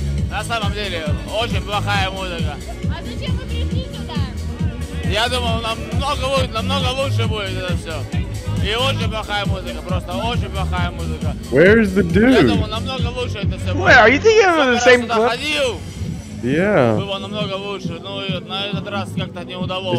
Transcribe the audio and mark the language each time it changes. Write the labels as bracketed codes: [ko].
[ru] На самом деле, очень плохая музыка. А зачем вы пришли сюда? Я думал, намного лучше будет это все. И очень плохая музыка, просто очень плохая музыка. [en] Where is the dude? [ru] Я думал, намного лучше это все [en] будет. Wait, are you thinking of the same club? Yeah. [ru] Было намного лучше, но на этот раз как-то не удалось.